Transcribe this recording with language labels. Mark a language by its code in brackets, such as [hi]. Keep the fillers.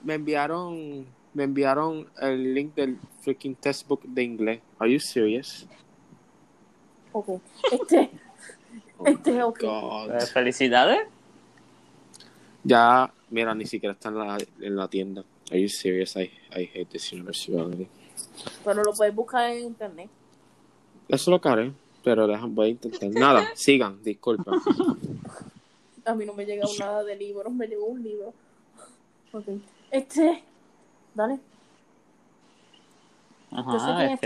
[es] me, enviaron. Me enviaron el link del [en] freaking textbook [es] de inglés. [en] ¿Are you serious? [es] Ok. Este. este es oh ok. Felicidades. Ya, mira, ni siquiera está en la, en la tienda. [en] ¿Are you serious? I, I hate this university. [es] bueno lo puedes buscar en internet. Eso lo caré, pero voy a intentar. Nada, sigan, disculpen. A mí no me llega nada de libro, No me llegó un libro. Okay. Este. Dale. Entonces Yo sé quién este.